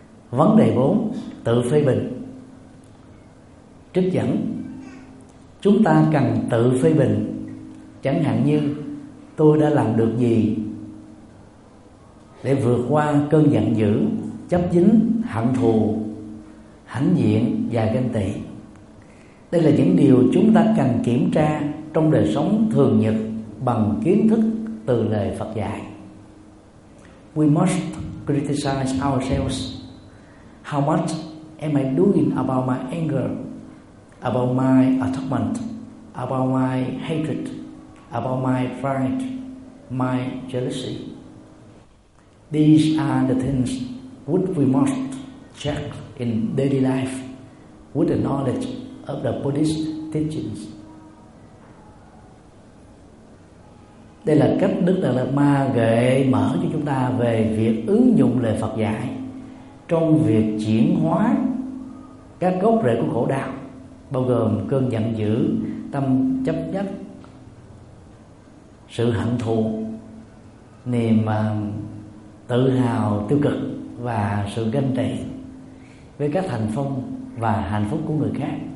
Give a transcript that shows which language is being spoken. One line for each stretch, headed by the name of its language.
Vietnamese: Vấn đề 4, tự phê bình. Trích dẫn: chúng ta cần tự phê bình, chẳng hạn như tôi đã làm được gì để vượt qua cơn giận dữ, chấp dính, hận thù, hãnh diện và ganh tị. Đây là những điều chúng ta cần kiểm tra trong đời sống thường nhật bằng kiến thức từ lời Phật dạy.
English: We must criticize ourselves. How much am I doing about my anger, about my attachment, about my hatred, about my pride, my jealousy? These are the things which we must check in daily life with the knowledge of the Buddhist teachings.
Vietnamese: Đây là cách Đức Đạt Lạt Ma gợi mở cho chúng ta về việc ứng dụng lời Phật dạy trong việc chuyển hóa các gốc rễ của khổ đau, bao gồm cơn giận dữ, tâm chấp nhất, sự hận thù, niềm tự hào tiêu cực và sự ganh tị với các thành phong và hạnh phúc của người khác.